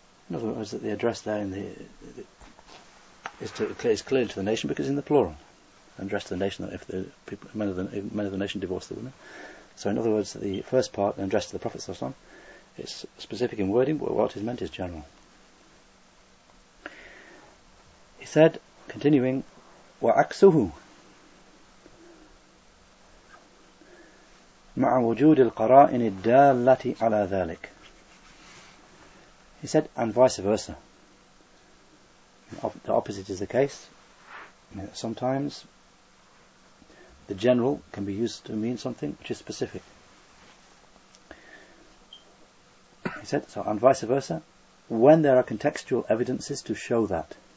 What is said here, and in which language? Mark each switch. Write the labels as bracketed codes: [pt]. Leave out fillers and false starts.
[en] In other words, the address there in is clearly to the nation, because in the plural, addressed to the nation, that if the people, men of the nation divorce the women. So in other words, the first part, addressed to the Prophet, it's specific in wording, but what is meant is general. He said, continuing, [ar] وَعَكْسُهُ مع وجود القرائن الدالة على ذلك. [en] He said, and vice versa. The opposite is the case. Sometimes the general can be used to mean something which is specific. He said, so and vice versa, when there are contextual evidences to show that.